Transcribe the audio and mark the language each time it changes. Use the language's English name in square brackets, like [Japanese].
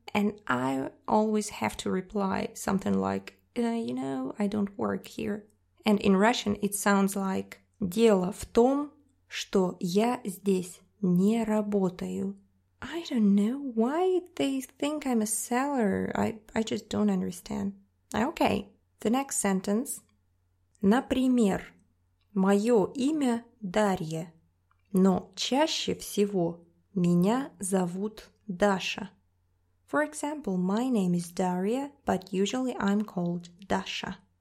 [English] And I always have to reply something like, you know, I don't work here. And in Russian, it sounds like, [Russian] дело в том, что я здесь не работаю. [English] I don't know why they think I'm a seller. I just don't understand. Okay, the next sentence. [Russian] Например, мое имя Дарья, но чаще всего меня зовут Даша. [English] For example, my name is Daria, but usually I'm called Dasha.